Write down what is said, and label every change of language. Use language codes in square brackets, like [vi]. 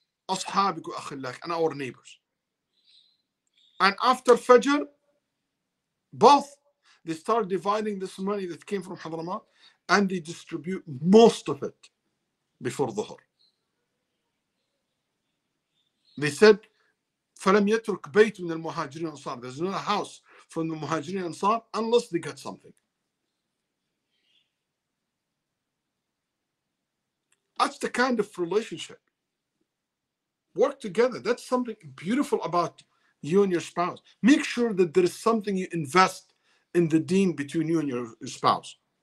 [en] And our neighbors. And after Fajr, both, they start dividing this money that came from Hadramaut, and they distribute most of it before Dhuhr. They said, [ar] فَلَمْ يَتْرُكْ بَيْتُ مِنَ الْمُهَاجِرِينَ أَنْصَارِ. [en] There's not a house from the Muhajirin Ansar unless they get something. That's the kind of relationship. Work together. That's something beautiful about you and your spouse. Make sure that there is something you invest in the deen between you and your spouse.